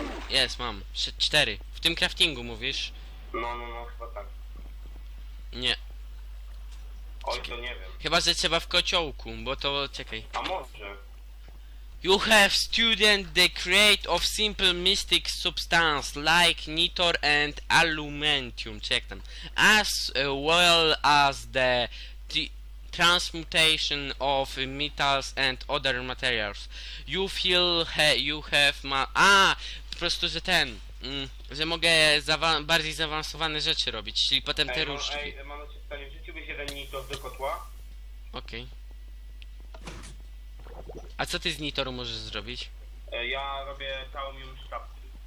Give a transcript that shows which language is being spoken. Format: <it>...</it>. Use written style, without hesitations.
<pl>Jest, mam. 4. W tym craftingu mówisz? No, chyba tak. Nie. Oj, to nie wiem. Chyba, że trzeba w kociołku, bo to... Czekaj. A może?</pl> <en>You have studied the crate of simple mystic substance like nitor and aluminium, check them, as well as the transmutation of metals and other materials. You feel you have ma...</en> <pl>po prostu, że ten, że mogę bardziej zaawansowane rzeczy robić, czyli potem te różdżki. Ej, mam się pytanie, wrzuciłbyś jeden nitor do kotła? Okej. A co ty z nitoru możesz zrobić? Ja robię taumium sztabki.</pl>